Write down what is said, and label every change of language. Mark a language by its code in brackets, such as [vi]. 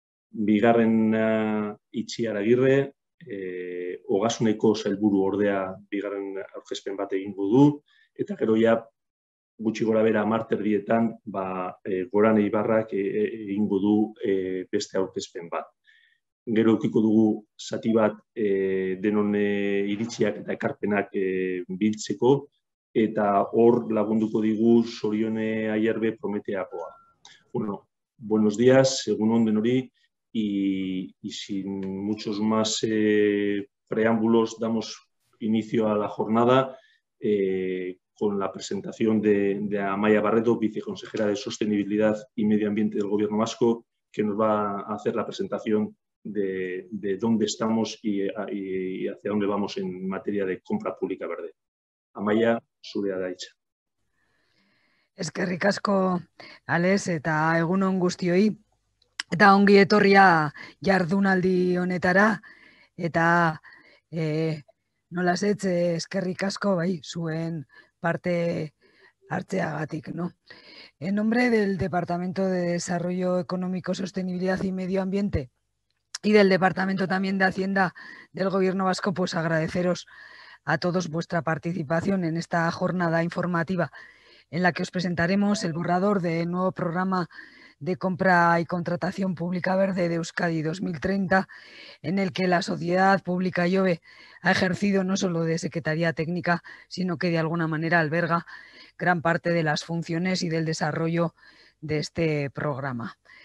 [eu] Bigarren Itziar Agirre, ogasuneko sailburu ordea bigarren aurkezpen bat egingo du, eta gero ja gutxi gora bera amarterdietan Goran Eibarrak egingo du beste aurkezpen bat. Gero ukiko dugu zati bat denon iritziak eta ekarpenak biltzeko, eta hor lagunduko digu Sorione Aierbe Prometeakoa. [es] Bueno, buenos días, según onden hori, y sin muchos más preámbulos, damos inicio a la jornada con la presentación de Amaia Barredo, viceconsejera de Sostenibilidad y Medio Ambiente del Gobierno Vasco, que nos va a hacer la presentación de dónde estamos y hacia dónde vamos en materia de compra pública verde. [eu] Amaia, zurea da hitza. Eskerrik asko, Alex, eta egunon guztioi. Eta ongi etorria jardunaldi honetara, eta nola zetz, eskerrik asko, bai, zuen parte hartzeagatik, no? [es] En nombre del Departamento de Desarrollo Económico, Sostenibilidad y Medio Ambiente y del Departamento también de Hacienda del Gobierno Vasco, pues agradeceros a todos vuestra participación en esta jornada informativa en la que os presentaremos el borrador del nuevo programa de compra y contratación pública verde de Euskadi 2030, en el que la sociedad pública IOVE ha ejercido no solo de secretaría técnica, sino que de alguna manera alberga gran parte de las funciones y del desarrollo de este programa.